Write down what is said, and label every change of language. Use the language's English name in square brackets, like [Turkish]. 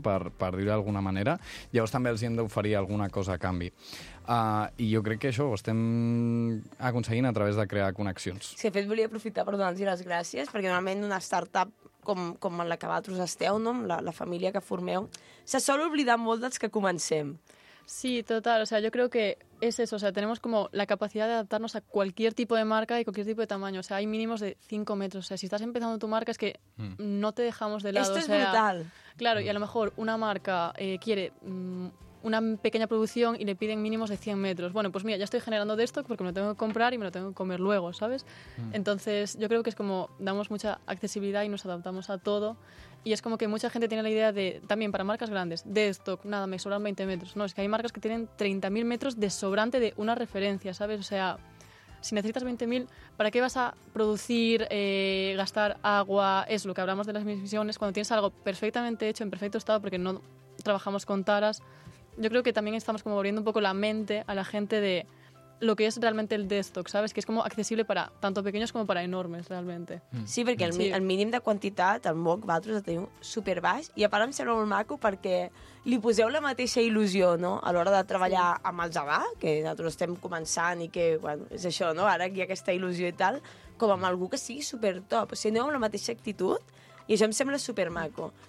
[Catalan] Per dir-ho d'alguna manera. Llavors també els hem d'oferir alguna cosa a canvi. I jo crec que això ho estem aconseguint a través de crear connexions. Sí, de fet, volia aprofitar per donar-los les gràcies, perquè normalment una startup com en la que vosaltres esteu, no? la família que formeu, se sol oblidar molt dels que comencem. [Spanish] Sí, total. O sea, yo creo que es eso. O sea, tenemos como la capacidad de adaptarnos a cualquier tipo de marca y cualquier tipo de tamaño. O sea, hay mínimos de 5 metros. O sea, si estás empezando tu marca es que no te dejamos de lado. Esto o sea, es brutal. Claro, y a lo mejor una marca quiere una pequeña producción y le piden mínimos de 100 metros. Bueno, pues mira, ya estoy generando de esto porque me lo tengo que comprar y me lo tengo que comer luego, ¿sabes? Entonces, yo creo que es como damos mucha accesibilidad y nos adaptamos a todo. Y es como que mucha gente tiene la idea de, también para marcas grandes, de stock, nada, me sobran 20 metros. No, es que hay marcas que tienen 30.000 metros de sobrante de una referencia, ¿sabes? O sea, si necesitas 20.000, ¿para qué vas a producir, gastar agua? Es lo que hablamos de las emisiones. Cuando tienes algo perfectamente hecho, en perfecto estado, porque no trabajamos con taras, yo creo que también estamos como abriendo un poco la mente a la gente de lo que es realmente el desktop, ¿sabes? Que es como accesible para tanto pequeños como para enormes, realmente. [Catalan] Sí, perquè el mínim de quantitat, el MOOC, vosaltres el teniu superbaix, i a part em sembla molt maco perquè li poseu la mateixa il·lusió, no?, a l'hora de treballar amb el Zabà, que nosaltres estem començant i que, bueno, és això, no?, ara hi ha aquesta il·lusió i tal, com amb algú que sigui supertop. O sigui, aneu amb la mateixa actitud i això em sembla supermaco.